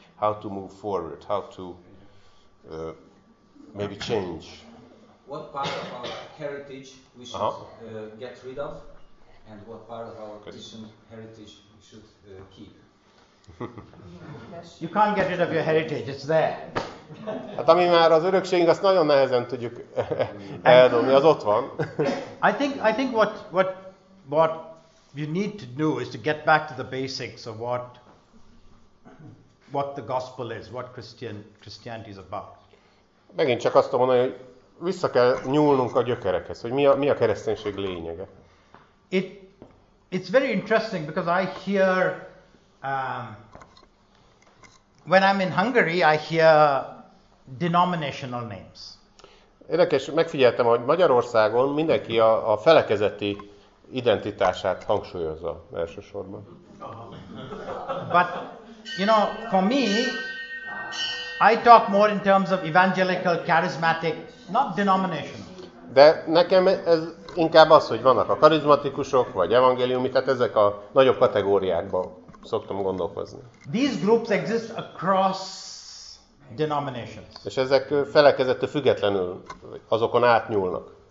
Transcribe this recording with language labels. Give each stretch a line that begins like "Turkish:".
English: How to move forward? How to maybe change? What part of our heritage we should get rid of? And what part of our Christian heritage we should keep? You can't get rid of your heritage, it's there.
Hungarian: Hát ami már az örökségünk, azt nagyon nehezen tudjuk eldobni, az ott van.
English: I think what you need to do is to get back to the basics of what the gospel is, what Christianity is about.
Hungarian: Megint csak azt mondom, hogy vissza kell nyúlnunk a gyökerekhez, hogy mi a kereszténység lényege.
English: It's very interesting because I hear when I'm in Hungary, I hear denominational names.
Hungarian: Érdekes, megfigyeltem, hogy Magyarországon mindenki a felekezeti identitását hangsúlyozza elsősorban.
English: But you know, for me, I talk more in terms of evangelical, charismatic, not denominational.
Hungarian: De nekem ez inkább az, hogy vannak a karizmatikusok vagy evangéliumi, tehát ezek a nagyobb kategóriákban szoktam gondolkozni.
English: These groups exist across denominations.
Hungarian: És ezek felekezete függetlenül azokon átnyúlnak.